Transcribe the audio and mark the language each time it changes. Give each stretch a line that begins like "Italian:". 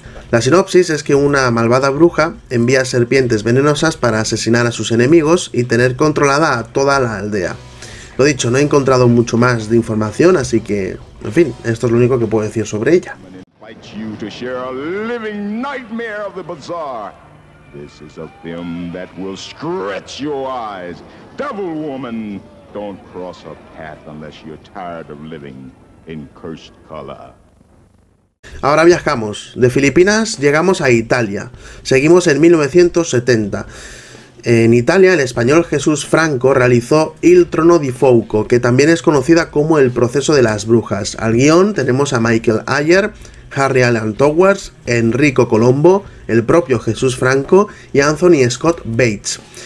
Spanish: La sinopsis es que una malvada bruja envía serpientes venenosas para asesinar a sus enemigos y tener controlada a toda la aldea. Lo dicho, no he encontrado mucho más de información, así que, en fin, esto es lo único que puedo decir sobre ella.
English: You to share a living nightmare of the bizarre. This is a film that will stretch your eyes. Devil Woman, don't cross a path unless you're tired of living in cursed color.
Spanish: Ahora viajamos. De Filipinas llegamos a Italia. Seguimos en 1970. En Italia, el español Jesús Franco realizó Il Trono di Fuoco, que también es conocida como El Proceso de las Brujas. Al guión tenemos a Michael Ayer, Harry Alan Towers, Enrico Colombo, el propio Jesús Franco y Anthony Scott Bates.